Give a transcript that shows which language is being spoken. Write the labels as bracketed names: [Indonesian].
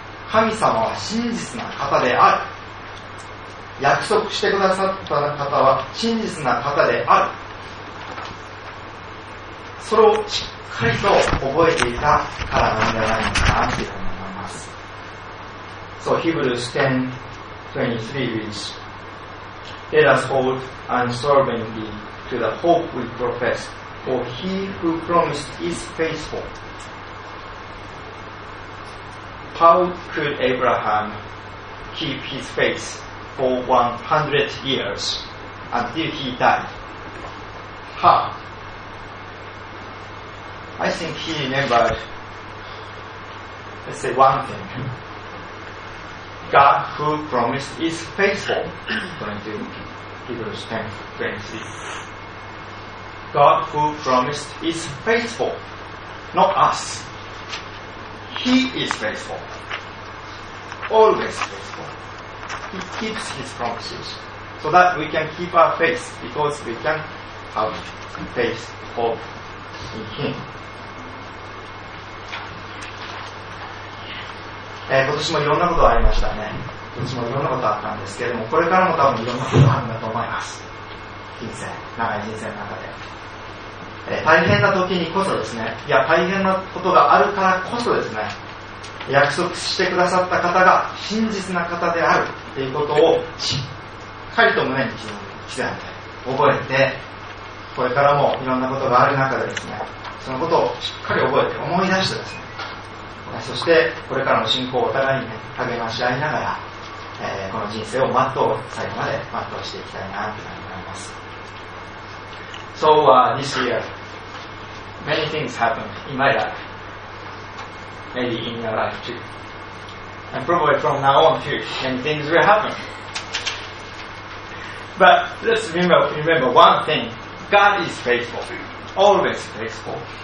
[Japanese] 神様は真実な方である。約束してくださった方は真実な方である。それをしっかりと覚えていたからなんじゃないかなというふうに思います。 [English] So Hebrews 10:23 reads, Let us hold unswervingly to the hope we profess, for he who promised is faithful. How could Abraham keep his faith for 100 years until he died? How? I think he remembered, let's say one thing. God who promised is faithful. According to Hebrews 10:23. God who promised is faithful, not us. He is faithful, always faithful. He keeps his promises so that we can keep our faith because we can have faith, hope in him. [Japanese] 今年もいろんなことがありましたね。今年もいろんなことがあったんですけれども、これからも多分いろんなことがあるんだと思います。人生、長い人生の中で大変な時にこそですね、いや大変なことがあるからこそですね、約束してくださった方が真実な方であるということをかりと胸に刻んで覚えて、これからもいろんなことがある中でですね、そのことをしっかり覚えて思い出してですね、そしてこれからの信仰をお互いに、ね、励まし合いながら、この人生を全う、最後まで全うしていきたいなと思います。 [English] So、this year many things happened in my life, maybe in your life too, and probably from now on too many things will happen, but let's remember one thing: God is faithful, always faithful.